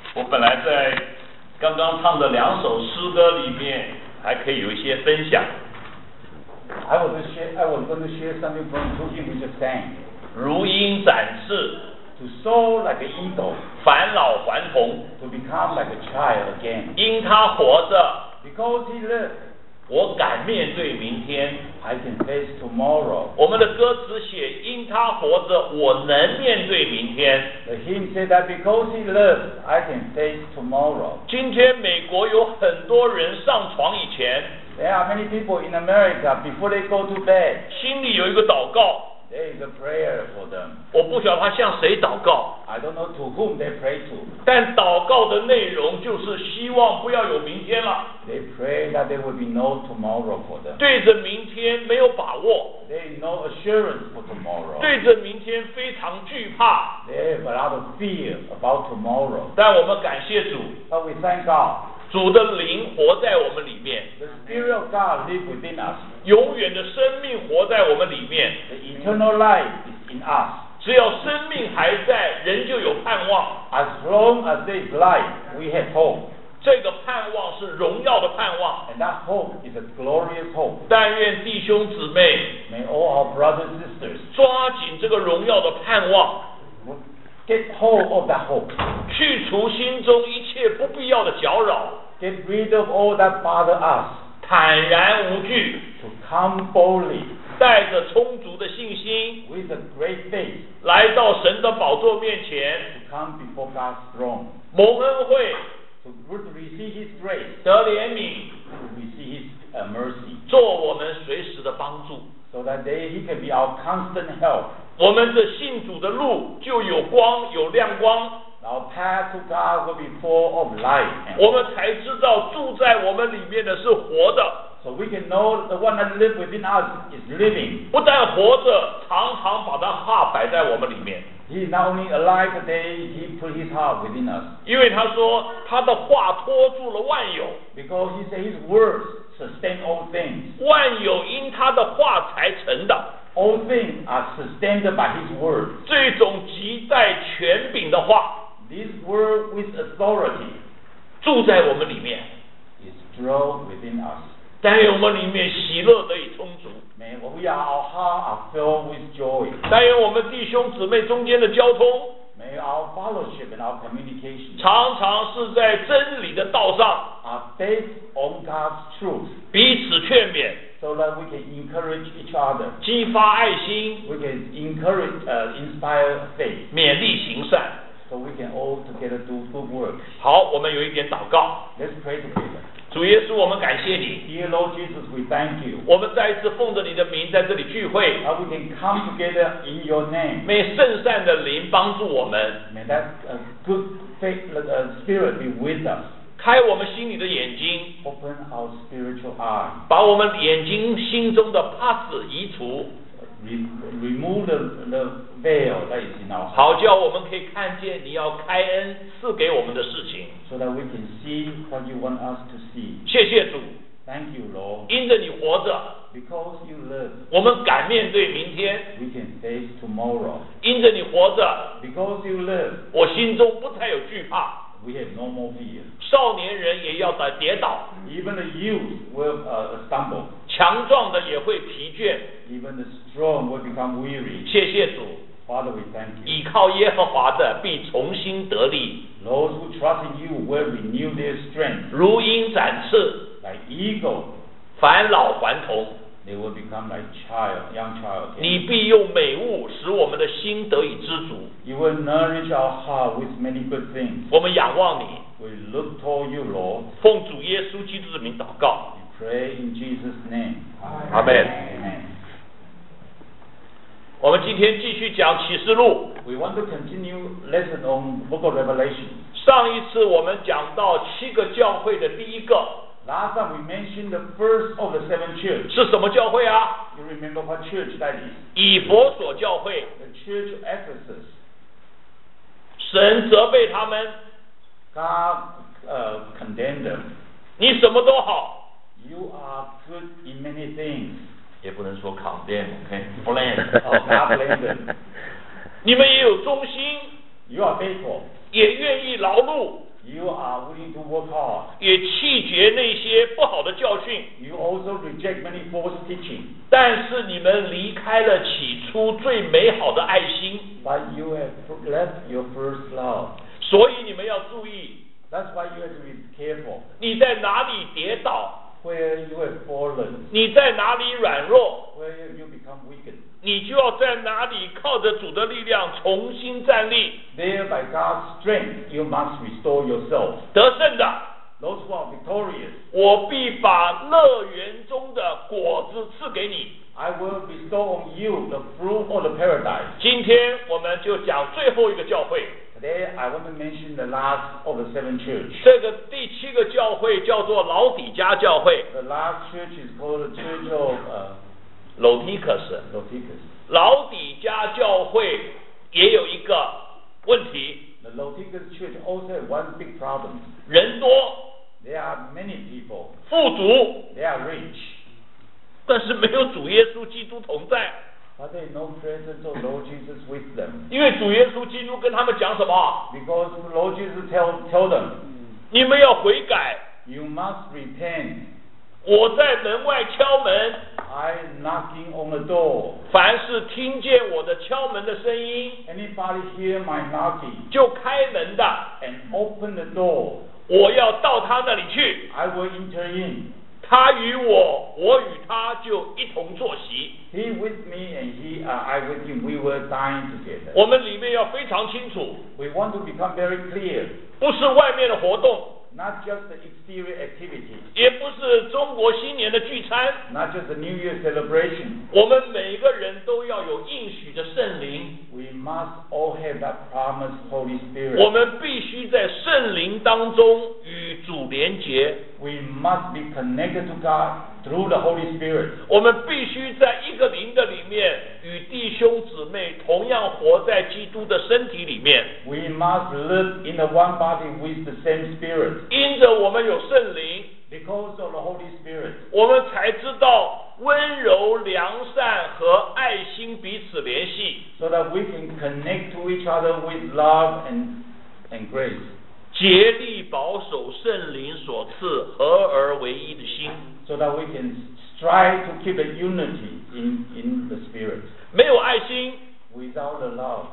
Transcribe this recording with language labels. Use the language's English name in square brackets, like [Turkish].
[Chinese] 本来在刚刚唱的两首诗歌里面还可以有一些分享。 [English] I want to share something from two things you just sang. [Chinese] 如鹰展翅。 [English] To soar like an eagle. [Chinese] 返老还童。 [English] To become like a child again. [Chinese] 因他活着。 [English] Because he lived. [Chinese] 我敢面对明天。 [English] I can face tomorrow. [Chinese] 我们的歌词写因他活着，我能面对明天。 [English] The hymn said that because he lived, I can face tomorrow. [Chinese] 今天美国有很多人上床以前。 [English] There are many people in America before they go to bed. [Chinese] 心里有一个祷告。 [English] There is a prayer for them. [Chinese] 我不晓得他向谁祷告。 [English] I don't know to whom they pray to. [Chinese] 但祷告的内容就是希望不要有明天了。 [English] They pray that there will be no tomorrow for them. [Chinese] 对着明天没有把握。 [English] There is no assurance for tomorrow. [Chinese] 对着明天非常惧怕。 [English] They have a lot of fear about tomorrow. [Chinese] 但我们感谢主。 [English] But we thank God. [Chinese] 主的灵活在我们里面。 [English] The spirit of God lives within us. [Chinese] 永远的生命活在我们里面。 [English] The eternal life is in us. [Chinese] 只要生命还在，人就有盼望。 [English] As long as there is life, we have hope. [Chinese] 这个盼望是荣耀的盼望。 [English] And that hope is a glorious hope. [Chinese] 但愿弟兄姊妹。 [English] May all our brothers and sisters. [Chinese] 抓紧这个荣耀的盼望。 [English] Get hold of that hope. [Chinese] 去除心中一切不必要的搅扰。 [English] Get rid of all that bother us. [Chinese] 坦然无惧。 [English] To come boldly. [Chinese] 带着充足的信心。 [English] With a great faith. [Chinese] 来到神的宝座面前。 [English] To come before God's throne. [Chinese] 蒙恩惠。 [English] To receive His grace. [Chinese] 得怜悯。 [English] To receive His mercy. [Chinese] 做我们随时的帮助。 [English] So that He can be our constant help. [Chinese] 我们这信主的路就有光，有亮光。 [English] Our path to God will be full of light. [Chinese] 我们才知道住在我们里面的是活的。 [English] So we can know the one that lives within us is living. [Chinese] 不但活着，常常把他话摆在我们里面。 [English] He is not only alive today, he put his heart within us. [Chinese] 因为他说他的话托住了万有。 [English] Because he said his words sustain all things. [Chinese] 万有因他的话才成的。 [English] All things are sustained by His word. [Chinese] 这种极带权柄的话 [English] ，this word with authority， [Chinese] 住在我们里面 [English] ，is dwell within us. [Chinese] 但愿我们里面喜乐得以充足。 [English] May we are our heart are filled with joy. [Chinese] 但愿我们弟兄姊妹中间的交通 [English] ，May our fellowship and our communication [Chinese] 常常是在真理的道上 [English] ，are based on God's truth. [Chinese] 彼此劝勉。 [English] So that we can encourage each other. [Chinese] 激发爱心。 [English] We can inspire faith. [Chinese] 勉励行善。 [English] So we can all together do good work. [Chinese] 好，我们有一点祷告。 [English] Let's pray together. [Chinese] 主耶稣，我们感谢你。 [English] Dear Lord Jesus, we thank you. [Chinese] 我们再一次奉着你的名在这里聚会。 [English] That we can come together in your name. [Chinese] may 圣善的灵帮助我们。 [English] May that good faith, spirit be with us. [Chinese] 开我们心里的眼睛 [English] Open our spiritual eye. [Chinese] 把我们眼睛心中的帕子移除 [English] Remove the veil that is in our heart. [Chinese] 好叫我们可以看见你要开恩赐给我们的事情 [English] So that we can see what you want us to see. [Chinese] 谢谢主 [English] Thank you, Lord. [Chinese] 因着你活着 [English] Because you live. [Chinese] 我们敢面对明天 [English] We can face tomorrow. [Chinese] 因着你活着 [English] Because you live. [Chinese] 我心中不再有惧怕 [English] We have no more fear. [Chinese] 少年人也要跌倒。 [English] Even the youth will stumble. [Chinese] 强壮的也会疲倦。 [English] Even the strong will become weary. [Chinese] 谢谢主。 [English] Father, we thank you. [Chinese] 倚靠耶和华的必重新得力。 [English] Those who trust in you will renew their strength. [Chinese] 如鹰展翅。 [English] Like eagle. [Chinese] 返老还童。 [English] They will become like child, young child. [Chinese] 你必用美物使我们的心得以知足。 [English] You will nourish our heart with many good things. [Chinese] 我们仰望你。 [English] We look toward you, Lord. [Chinese] 奉主耶稣基督的名祷告。 [English] We pray in Jesus' name. Amen. Amen. [Chinese] 我们今天继续讲启示录。 [English] We want to continue lesson on Book of Revelation. [Chinese] 上一次我们讲到七个教会的第一个。 [English] Last time we mentioned the first of the seven churches. [Chinese] 是什么教会啊 [English] ？You remember what church that is? [Chinese] 以弗所教会。 [English] The church of Ephesus. [Chinese] 神责备他们。 [English] God condemned them. [Chinese] 你什么都好。 [English] You are good in many things. [Chinese] 也不能说 [English] condemn, okay? Blame. Oh, God blame them. [Chinese] 你们也有忠心。 [English] You are faithful. [Chinese] 也愿意劳碌。 [English] You are willing to work hard. [Chinese] 也弃绝那些不好的教训。 [English] You also reject many false teaching. [Chinese] 但是你们离开了起初最美好的爱心。 [English] But you have left your first love. [Chinese] 所以你们要注意。 [English] That's why you have to be careful. [Chinese] 你在哪里跌倒？ [English] Where you have fallen, [Chinese] 你在哪里软弱 [English] where you become weakened, [Chinese] 你就要在哪里靠着主的力量重新站立 [English] There by God's strength you must restore yourself [Chinese] 得胜的 [English] Those who are victorious [Chinese] 我必把乐园中的果子赐给你 [English] I will restore on you the fruit of the paradise [Chinese] 今天我们就讲最后一个教会 [English] Today I want to mention the last of the seven churches. [Chinese] 这个第七个教会叫做老底加教会。 [English] The last church is called the Church of Lotikus. Lotikus. [Chinese] 老底加教会也有一个问题。 [English] The Lotikus church also has one big problem. [Chinese] 人多。 [English] There are many people. [Chinese] 富足。 [English] They are rich. [Chinese] 但是没有主耶稣基督同在。 [English] But they no presence of Lord Jesus with them. [Chinese] 因为主耶稣基督跟他们讲什么？ [English] Because Lord Jesus tell them, [Chinese] 你们要悔改。 [English] You must repent. [Chinese] 我在门外敲门。 [English] I knocking on the door. [Chinese] 凡是听见我的敲门的声音， [English] Anybody hear my knocking? [Chinese] 就开门的。 [English] And open the door. [Chinese] 我要到他那里去。 [English] I will enter in. [Chinese] 他与我，我与他就一同坐席。 [English] He with me and he, I with him, we were dying together. [Chinese] 我们里面要非常清楚。 [English] We want to become very clear. [Chinese] 不是外面的活动。 [English] Not just the exterior activity. [Chinese] 也不是中国新年的聚餐。 [English] Not just the New Year celebration. [Chinese] 我们每个人都要有应许的圣灵。 [English] We must all have that promised Holy Spirit. [Chinese] 我们必须在圣灵当中与主连结。 [English] We must be connected to God through the Holy Spirit. [Chinese] 我们必须在一个灵的里面与弟兄姊妹同样活在基督的身体里面。 [English] We must live in the one body with the same Spirit. [Chinese] 因着我们有圣灵 [English] because of the Holy Spirit, [Chinese] 我们才知道温柔、良善和爱心彼此联系 [English] so that we can connect to each other with love and grace. [Chinese] 竭力保守圣灵所赐合而为一的心 [English] so that we can strive to keep a unity in the spirit [Chinese] 没有爱心 [English] without the love